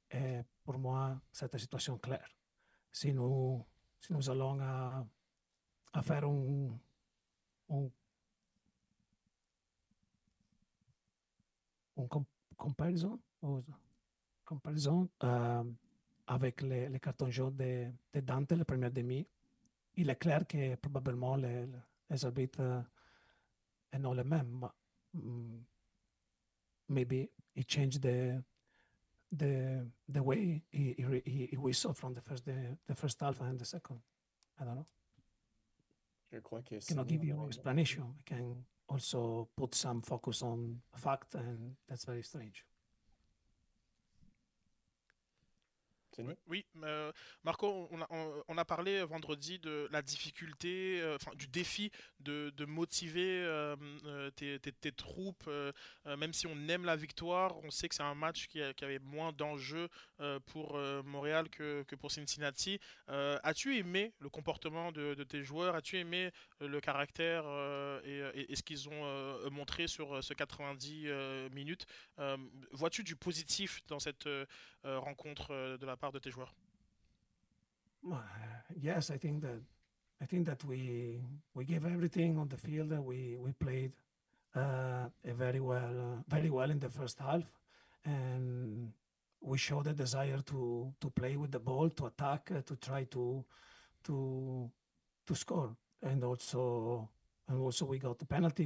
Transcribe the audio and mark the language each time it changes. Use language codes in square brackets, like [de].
[fr] Et pour moi, c'est une situation claire. Si nous allons à faire une comparaison avec les cartons jaunes de Dante, la première demi, il est clair que probablement les arbitres n'ont les mêmes. [en] Maybe he changed the way he whistled from the first half and the second. I don't know. [fr] Je crois que c'est... [en] Cannot give you an explanation. I can also put some focus on fact, and that's very strange. [fr] Oui, Marco, on a parlé vendredi de la difficulté, du défi de motiver tes troupes, même si on aime la victoire, on sait que c'est un match qui avait moins d'enjeux pour Montréal que pour Cincinnati. As-tu aimé le comportement de tes joueurs? As-tu aimé le caractère et ce qu'ils ont montré sur ce 90 minutes? Vois-tu du positif dans cette rencontre de la part de tes joueurs? [en] Yes, I think that we gave everything on the field. We played very well in the first half, and we showed a desire to play with the ball, to attack, to try to score, and also we got the penalty.